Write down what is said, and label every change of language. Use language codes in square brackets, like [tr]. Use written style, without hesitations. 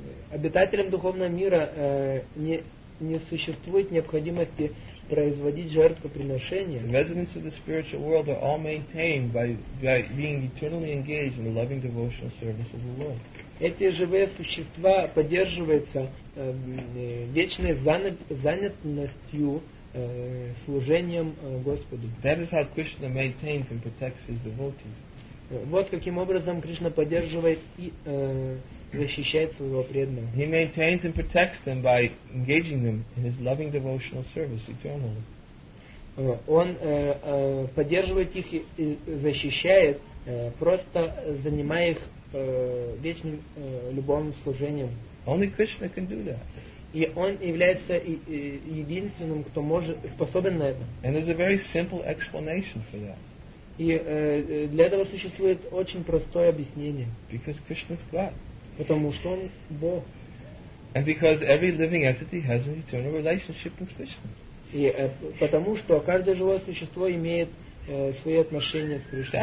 [ru] Обитателям духовного мира не существует необходимости производить жертвоприношения. [en] The residents of the spiritual world are all maintained by being eternally engaged in the loving devotional service of the Lord. [ru] Эти живые существа поддерживаются вечной занятностью служением Господу. [en] That is how Krishna maintains and protects his devotees. [ru] Вот каким образом Кришна поддерживает и защищает своего преданного. [en] He maintains and protects them by engaging them in his loving devotional service eternally. [ru] Он поддерживает их и защищает, просто занимая их вечным любовным служением. [en] Only Krishna can do that. [ru] И он является единственным, кто способен на это. [en] And there's a very simple explanation for that. [ru] И для этого существует очень простое объяснение. [en] Because Krishna's God. [ru] Потому что он Бог. [en] And because every living entity has an eternal relationship with Krishna. [ru] И потому что каждое живое существо имеет свои отношения с Кришной.